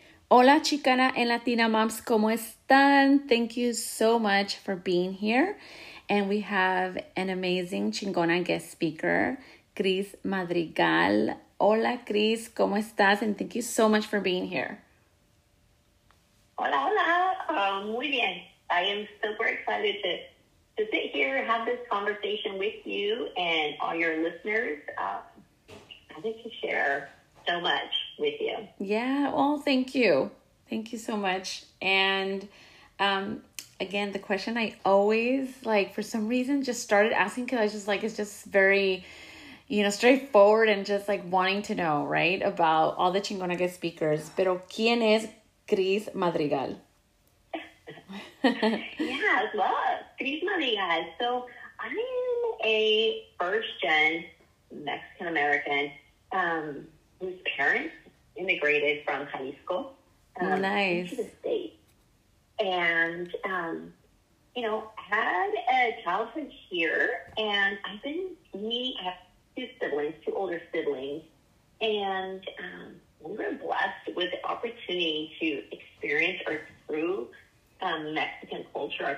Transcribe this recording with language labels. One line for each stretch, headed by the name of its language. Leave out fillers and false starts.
Spanish: Hola, Chicana and Latina Moms, ¿cómo están?
English: Thank you so much for being here. And we have an amazing chingona guest speaker, Criss Madrigal.
Spanish: Hola, Criss, ¿cómo estás?
English: And thank you so much for being here.
Spanish: Hola, hola. Muy bien.
English: I am super excited to sit here and have this conversation with you and all your listeners. I'm excited to share so much with you. Yeah, well, thank you. Thank you so much. And again, the question I always, like, for some reason, just started asking because I just, like, it's just very, you know, straightforward and just, like, wanting to know, right, about all the chingona guest speakers.
Spanish: Pero, ¿quién es Criss Madrigal?
English: Yeah, well, Criss Madrigal. So, I'm a first-gen Mexican-American whose parents immigrated from Jalisco nice. To the state. And, you know, had a childhood here, and I've been I have two older siblings, and we were blessed with the opportunity to experience our true Mexican culture.